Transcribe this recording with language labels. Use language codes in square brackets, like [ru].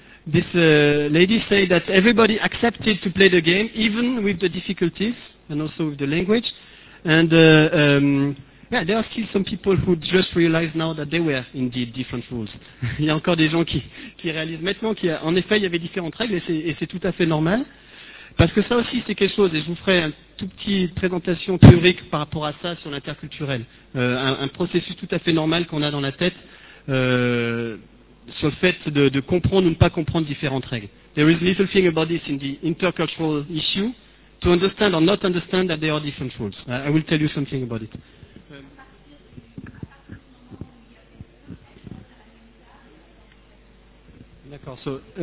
[en] This lady said that everybody accepted to play the game, even with the difficulties and also with the language. And yeah, there are still some people who just realize now that there were indeed different rules. [fr] Il y a encore des gens qui réalisent maintenant qu'en effet il y avait différentes règles et c'est tout à fait normal. Parce que ça aussi c'est quelque chose, et je vous ferai une tout petite présentation théorique par rapport à ça sur l'interculturel. Un processus tout à fait normal qu'on a dans la tête. Sur le fait de comprendre ou ne pas comprendre différentes règles. [en] There is little thing about this in the intercultural issue, to understand or not understand that there are different rules. I will tell you something about it. [fr] D'accord, so...